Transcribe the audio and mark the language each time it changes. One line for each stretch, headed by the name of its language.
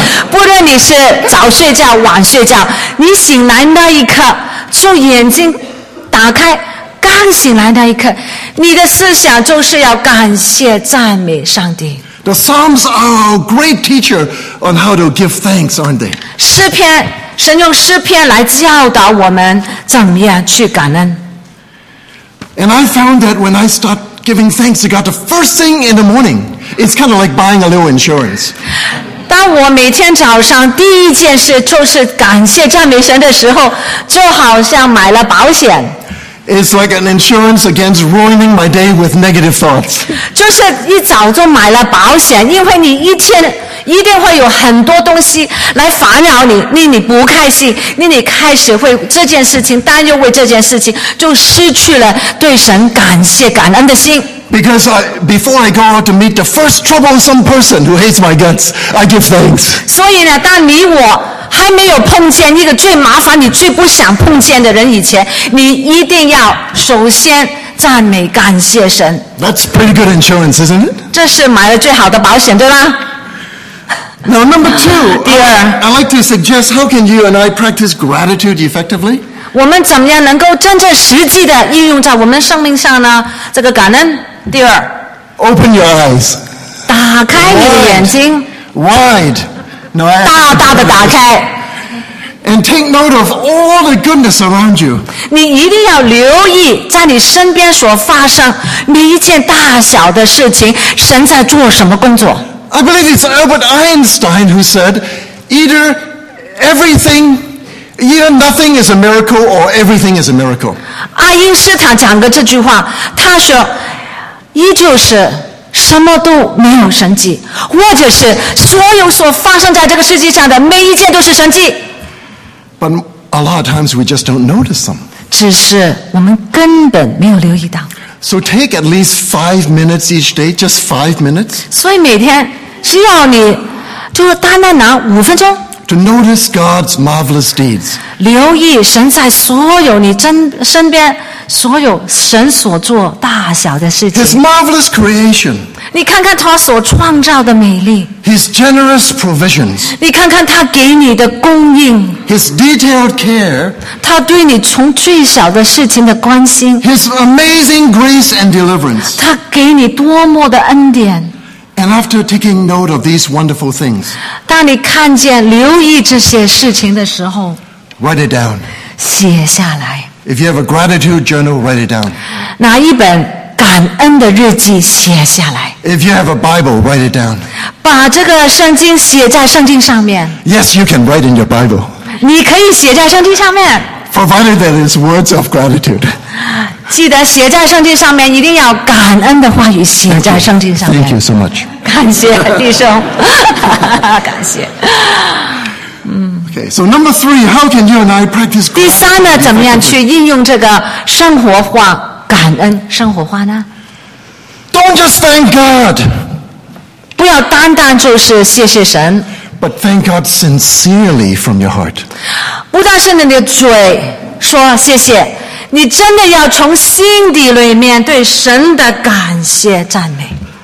Chinese: 不论你是早睡觉、晚睡觉，你醒来那一刻。就眼睛打开刚醒来那一刻你的思想就是要感谢赞美上帝
English: The Psalms are a great teacher on how to give thanks, aren't they?
Chinese: 诗篇神用诗篇来教导我们怎么样去感恩
English: And I found that when I start giving thanks to God the first thing in the morning it's kind of like buying a little insurance
Chinese: 当我每天早上第一件事就是感谢赞美神的时候就好像买了保险
English: It's like an insurance against ruining my day with negative thoughts
Chinese: 就是一早就买了保险因为你一天一定会有很多东西来烦扰你令你不开心令你开始为这件事情担忧为这件事情就失去了对神感谢感恩的心
English: Because before I go out to meet the first troublesome person who hates my guts, I give thanks.
Chinese: 所以呢，当你我还没有碰见一个最麻烦、你最不想碰见的人以前，你一定要首先赞美、感谢神。
English: That's pretty good insurance, isn't it?
Chinese: 这是买了最好的保险，对吧？
English: Now, number two,
Chinese: 第二
English: I like to suggest how can you and I practice gratitude effectively?
Chinese: 我们怎么样能够真正实际的应用在我们生命上呢？这个感恩。第二
English: ，Open your eyes，
Chinese: 打开你的眼睛
English: ，Wide，
Chinese: 大大的打开
English: ，And take note of all the goodness around you。
Chinese: 你一定要留意在你身边所发生每一件大小的事情，神在做什么工作
English: ？I believe it's Albert Einstein who said, either everything Either nothing is a miracle or everything is a miracle.
Chinese: 爱因斯坦讲的这句话，他说，依旧是什么都没有神迹，或者是所有所发生在这个世界上的每一件都是神迹。
English: But a lot of times we just don't notice them.
Chinese: 只是我们根本没有留意到。
English: So take at least 5 minutes each day, just 5 minutes.
Chinese: 所以每天只要你就单单拿五分钟。
English: To notice God's marvelous deeds.
Chinese: 留意神在所有你身边所有神所做大小的事情。
English: His marvelous creation.
Chinese: 你看看他所创造的美丽。
English: His generous provisions.
Chinese: 你看看他给你的供应。
English: His detailed care.
Chinese: 他对你从最小的事情的关心。
English: His amazing grace and deliverance.
Chinese: 他给你多么的恩典。
English: And after taking note of these wonderful things,
Chinese: 当你看见留意这些事情的时候
English: write it down.
Chinese: 写下来
English: If you have a gratitude journal, write it down.
Chinese: 拿一本感恩的日记写下来
English: If you have a Bible, write it down.
Chinese: 把这个圣经写在圣经上面
English: Yes, you can write in your Bible.
Chinese: 你可以写在圣经上面
English: Provided that it's words of gratitude.
Chinese: 记得写在圣经上面，一定要感恩的话语写在圣经上面。
English: Thank you so much.
Chinese: 感谢弟兄，感谢。
English: Okay, so number three, how can you and I practice?
Chinese: 第三呢，怎么样去应用这个生活化感恩生活化呢
English: ？Don't just thank God.
Chinese: 不要单单就是谢谢神。
English: But thank God sincerely from your heart.
Chinese: 不单是你的嘴说谢谢。你真的要从心底里面对神的感谢赞美。